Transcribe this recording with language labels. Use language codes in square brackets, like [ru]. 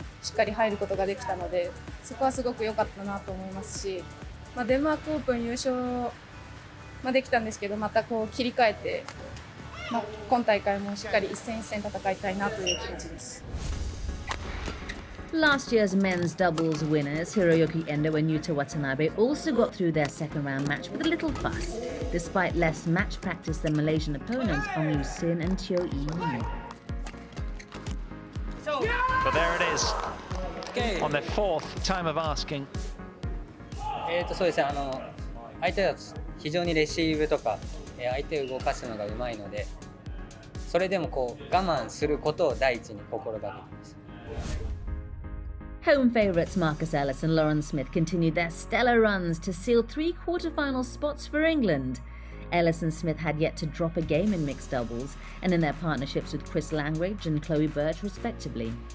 [ja] しっかり入ることができたので、そこはすごく良かったなと思いますし、まあ、デンマークオープン優勝まできたんですけど、またこう切り替えて、まあ、今大会もしっかり一戦一戦戦いたいなという気持ちです。 [en] Last year's men's doubles winners Hiroyuki Endo and Yuta Watanabe also got through their second round match with a little fuss, despite less match practice than Malaysian opponents Ong Yu Sin and Teo Yi. But there it is, on their fourth time of asking. [ja] そうですね、相手は非常にレシーブとか、相手を動かすのがうまいので、それでもこう我慢することを第一に心がけています。 [en] Home favourites Marcus Ellis and Lauren Smith continued their stellar runs to seal three quarterfinal spots for England. Ellis and Smith had yet to drop a game in mixed doubles, and in their partnerships with Chris Langridge and Chloe Birch respectively.